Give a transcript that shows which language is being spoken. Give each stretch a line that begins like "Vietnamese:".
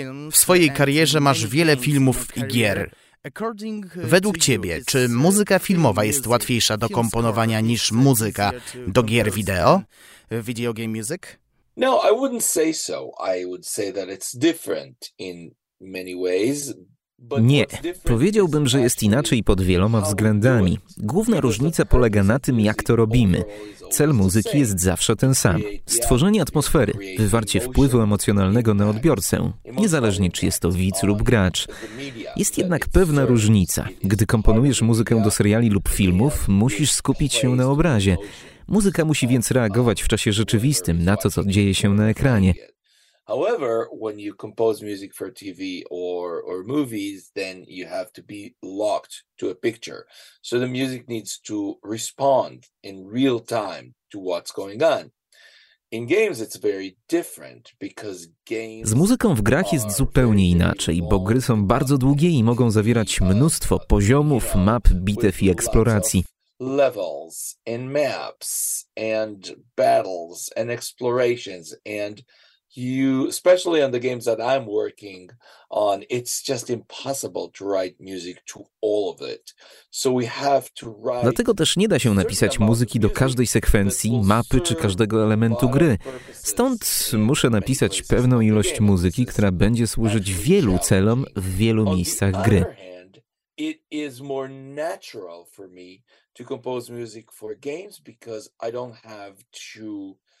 Polish: W swojej karierze masz wiele filmów i gier. Według ciebie, czy muzyka filmowa jest łatwiejsza do komponowania niż muzyka do gier wideo?
English: Video game music? No, I wouldn't say so. I would say that it's different in many ways.
Polish: Nie. Powiedziałbym, że jest inaczej pod wieloma względami. Główna różnica polega na tym, jak to robimy. Cel muzyki jest zawsze ten sam. Stworzenie atmosfery, wywarcie wpływu emocjonalnego na odbiorcę, niezależnie czy jest to widz lub gracz. Jest jednak pewna różnica. Gdy komponujesz muzykę do seriali lub filmów, musisz skupić się na obrazie. Muzyka musi więc reagować w czasie rzeczywistym na to, co dzieje się na ekranie.
English: However, when you compose music for TV or movies, then you have to be locked to a picture. So the music needs to respond in real time to what's going on. In games it's very different because games.
Polish: Z muzyką w grach jest zupełnie inaczej, bo gry są bardzo długie i mogą zawierać mnóstwo poziomów, map, bitew i eksploracji.
English: Levels and maps and battles and explorations and you, especially on the games that I'm working on, it's just impossible to write music to all of it. So we have to write.
Polish: Dlatego też nie da się napisać muzyki do każdej sekwencji, mapy czy każdego elementu gry. Stąd muszę napisać pewną ilość muzyki, która będzie służyć wielu celom w wielu miejscach gry.
English: It is more natural for me to compose music for games because I don't have to